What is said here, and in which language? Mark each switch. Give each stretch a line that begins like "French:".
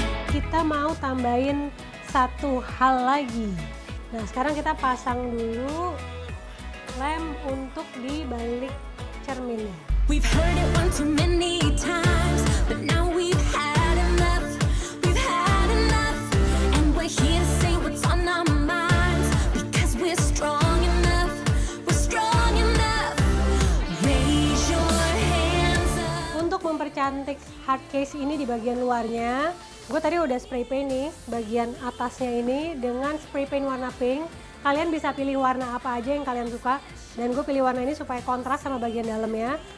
Indonesian: Kita mau tambahin satu hal lagi. Nah, sekarang kita pasang dulu lem untuk di balik cerminnya.
English: We've heard it one too many times, but now we've had enough. We've had enough and we're here to say what's on our minds because we're strong enough. We're strong enough. Raise your hands up.
Indonesian: Untuk mempercantik hard case ini di bagian luarnya, gue tadi udah spray paint nih bagian atasnya ini dengan spray paint warna pink. Kalian bisa pilih warna apa aja yang kalian suka. Dan gue pilih warna ini supaya kontras sama bagian dalamnya.